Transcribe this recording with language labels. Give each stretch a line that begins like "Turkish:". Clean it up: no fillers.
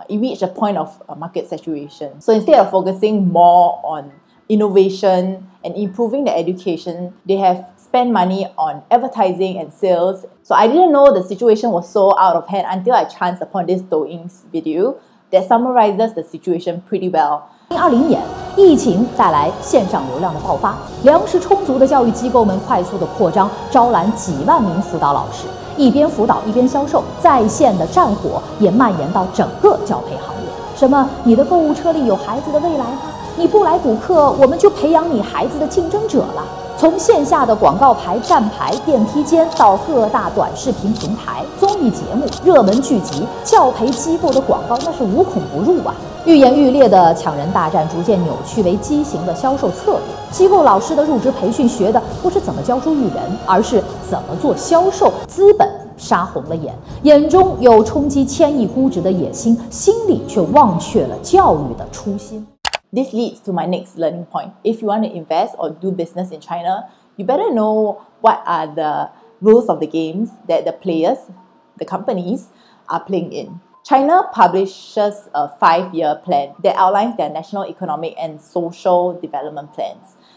English: It reached a point of market saturation. So instead of focusing more on innovation and improving the education, they have spent money on advertising and sales. So I didn't know the situation was so out of hand until I chanced upon this Douyin's video that summarizes the situation pretty well.
Chinese: 2020年, 疫情带来线上流量的爆发, 粮食充足的教育机构们快速的扩张, 招揽几万名辅导老师, 一边辅导一边销售, 在线的战火也蔓延到整个教培行业。什么,你的购物车里有孩子的未来吗?你不来补课, 我们就培养你孩子的竞争者了。从线下的广告牌站牌, 电梯间, 到各大短视频平台, 综艺节目, 热门剧集, 教培机构的广告, 那是无孔不入啊。愈演愈烈的抢人大战逐渐扭曲为畸形的销售策略， 机构老师的入职培训学的不是怎么教书育人， 而是怎么做销售， 资本杀红了眼， 眼中有冲击千亿估值的野心， 心里却忘却了教育的初心。
English: This leads to my next learning point. If you want to invest or do business in China, you better know what are the rules of the games that the players, the companies, are playing in. China publishes a five-year plan that outlines their national economic and social development plans.